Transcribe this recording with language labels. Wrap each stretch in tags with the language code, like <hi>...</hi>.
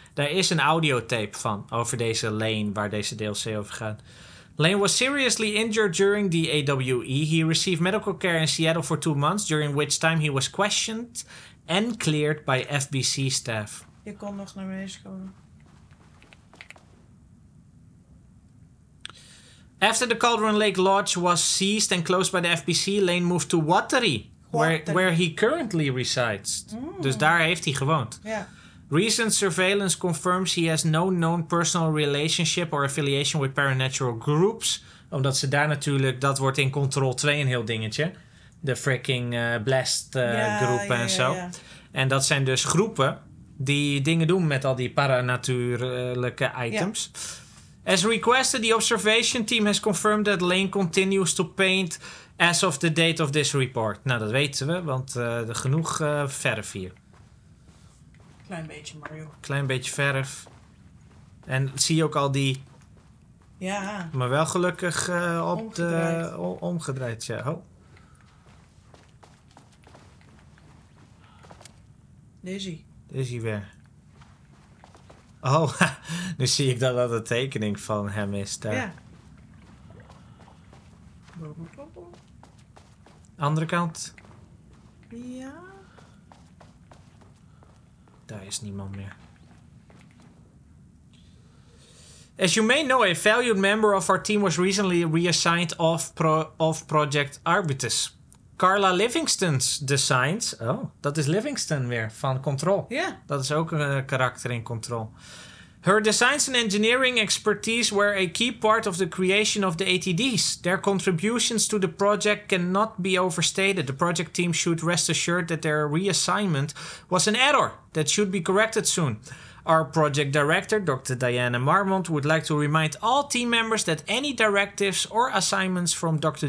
<nl>Daar is een audiotape van over deze Lane, waar deze DLC over gaat.</nl> <en>Lane was seriously injured during the AWE. He received medical care in Seattle for 2 months, during which time he was questioned and cleared by FBC staff.</en> <nl>Je kon nog naar beneden komen.</nl> <en>After the Cauldron Lake Lodge was seized and closed by the FBC, Lane moved to Watery, where he currently resides. Mm.</en> <nl>Dus daar heeft hij gewoond.</nl> <en>Yeah. Recent surveillance confirms he has no known personal relationship or affiliation with paranormal groups.</en> <nl>Omdat ze daar natuurlijk, dat wordt in Control 2 een heel dingetje. De freaking blast groepen en zo. Ja, ja. En dat zijn dus groepen die dingen doen met al die paranatuurlijke items. Ja.</nl> <en>As requested, the observation team has confirmed that Lane continues to paint as of the date of this report.</en> <nl>Nou, dat weten we, want genoeg verf hier. Klein beetje, Mario. Klein beetje verf. En zie je ook al die... Ja. Maar wel gelukkig op omgedraaid. Omgedraaid, ja. Oh. Daisy weer. Oh, nu zie ik dat de tekening van hem is daar. Ja. Andere kant. Ja. Daar is niemand meer.</nl> <en>As you may know, a valued member of our team was recently reassigned off Project Arbutus. Carla Livingston's designs.</en> <nl>Oh, dat is Livingston weer van Control. Ja. Yeah. Dat is ook een karakter in Control.</nl> <en>Her designs and engineering expertise were a key part of the creation of the ATDs. Their contributions to the project cannot be overstated. The project team should rest assured that their reassignment was an error that should be corrected soon. Our project director, Dr. Diana Marmont, would like to remind all team members that any directives or assignments from Dr.</en>